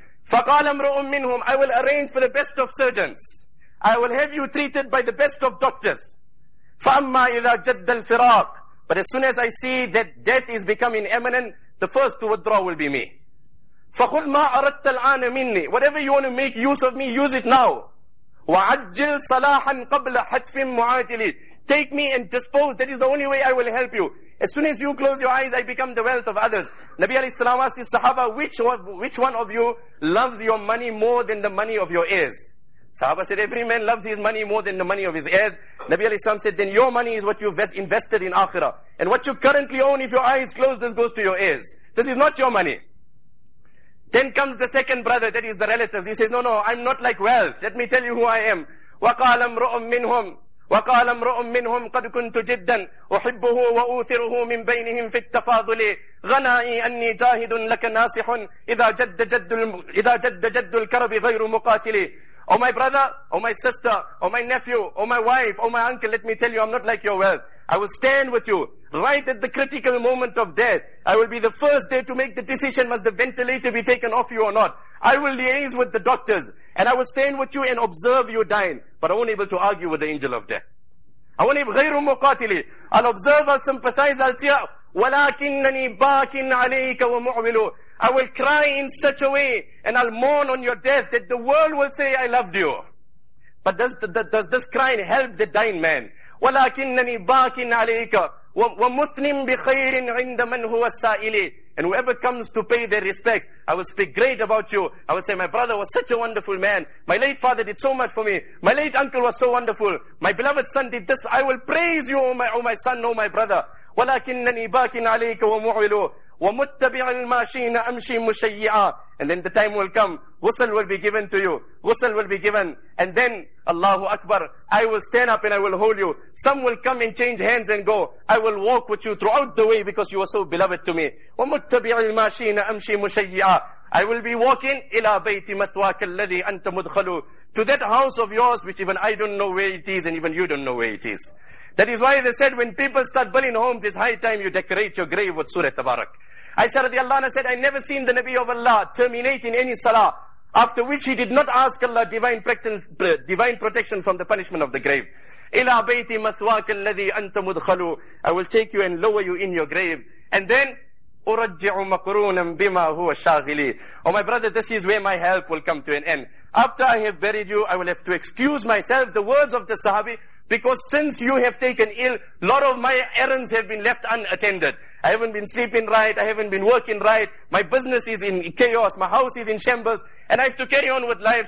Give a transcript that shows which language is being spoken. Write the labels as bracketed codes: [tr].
[ar] فَقَالَ امْرُؤٌ مِّنْهُمْ [en] I will arrange for the best of surgeons. I will have you treated by the best of doctors. [ar] فَأَمَّا إِذَا جَدَّ الْفِرَاقِ [en] But as soon as I see that death is becoming imminent, the first to withdraw will be me. [ar] فَخُذْ مَا أَرَدْتَ الْآنَ مِنِّي [en] Whatever you want to make use of me, use it now. [ar] وَعَجِّلْ صَلَاحًا قَبْلَ حَتْفٍ مُعَاجِلِ [en] Take me and dispose. That is the only way I will help you. As soon as you close your eyes, I become the wealth of others. Nabi alayhi salam asked his sahaba, which one of you loves your money more than the money of your heirs? Sahaba said, every man loves his money more than the money of his heirs. Nabi alayhi salam said, then your money is what you invested in akhirah. And what you currently own, if your eyes close, this goes to your heirs. This is not your money. Then comes the second brother, that is the relatives. He says, no, I'm not like wealth. Let me tell you who I am. [ar] وَقَالَ امْرُؤٌ مِّنْهُمْ وَقَالَ امْرُؤٌ مِّنْهُمْ قَدْ كُنْتُ جِدًّا أُحِبُّهُ وَأُوثِرُهُ مِنْ بَيْنِهِمْ فِي التَّفَاضُلِ غَنَائِي أَنِّي جَاهِدٌ لَكَ نَاصِحٌ إِذَا جَدَّ جَدُّ الْكَرَبِ غَيْرُ مُقَاتِلِ [en] Oh my brother, oh my sister, oh my nephew, oh my wife, oh my uncle, let me tell you, I'm not like your wealth. I will stand with you right at the critical moment of death. I will be the first there to make the decision, must the ventilator be taken off you or not. I will liaise with the doctors and I will stand with you and observe you dying. But I won't be able to argue with the angel of death. [ar] أوني بغير مقاتلي. [en] I'll observe, I'll sympathize, I'll tear. [ar] ولكنني باكٍ عليك ومعمل. [en] I will cry in such a way and I'll mourn on your death that the world will say I loved you. But does this crying help the dying man? [ar] ولكنني باكٍ عليك ومثنٍ بخير عند من هو السائلي. [en] And whoever comes to pay their respects, I will speak great about you. I will say, my brother was such a wonderful man. My late father did so much for me. My late uncle was so wonderful. My beloved son did this. I will praise you, O my son, O my brother. [ar] وَلَكِنَّنِي بَاكٍ عَلَيْكَ وَمُعْوِلُ وَمُتَّبِعِ الْمَاشِينَ أَمْشِي مُشَيِّعًا. [en] And then the time will come. Ghusl will be given to you. Ghusl will be given. And then, Allahu Akbar, I will stand up and I will hold you. Some will come and change hands and go. I will walk with you throughout the way because you are so beloved to me. [ar] وَمُتَّبِعِ الْمَاشِينَ أَمْشِي مُشَيِّعًا. [en] I will be walking [ar] إِلَى بَيْتِ مَثْوَاكَ الَّذِي أَنْتَ مُدْخَلُ. [en] To that house of yours which even I don't know where it is and even you don't know where it is. That is why they said when people start building homes, it's high time you decorate your grave with Surah Tabarak. Aisha radiallahu anha said, I never seen the Nabi of Allah terminate in any salah, after which he did not ask Allah divine protection from the punishment of the grave. [ar] إِلَى بَيْتِ مَثْوَاكَ الَّذِي أَنْتَ مُدْخَلُ. [en] I will take you and lower you in your grave. And then, [ar] أُرَجِّعُ مَقْرُونًا بِمَا هُوَ الشَّاغِلِي. [en] Oh my brother, this is where my help will come to an end. After I have buried you, I will have to excuse myself, the words of the sahabi, because since you have taken ill, lot of my errands have been left unattended. I haven't been sleeping right, I haven't been working right, my business is in chaos, my house is in shambles, and I have to carry on with life.